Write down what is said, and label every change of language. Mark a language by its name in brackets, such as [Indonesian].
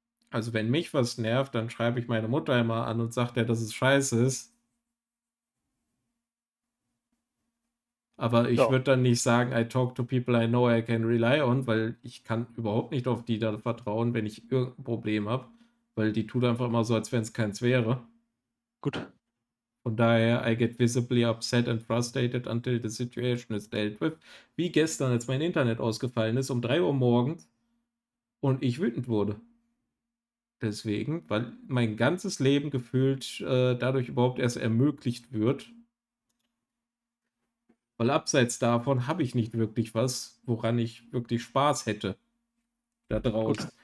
[German] Also wenn mich was nervt, dann schreibe ich meine Mutter immer an und sage der, dass es scheiße ist. Aber ich würde dann nicht sagen, [English] I talk to people I know I can rely on, [German] weil ich kann überhaupt nicht auf die da vertrauen, wenn ich irgendein Problem habe. Weil die tut einfach immer so, als wenn es keins wäre. Gut. Von daher, [English] I get visibly upset and frustrated until the situation is dealt with. [German] Wie gestern, als mein Internet ausgefallen ist, um 3 Uhr morgens und ich wütend wurde. Deswegen, weil mein ganzes Leben gefühlt dadurch überhaupt erst ermöglicht wird. Weil abseits davon habe ich nicht wirklich was, woran ich wirklich Spaß hätte. Da draußen.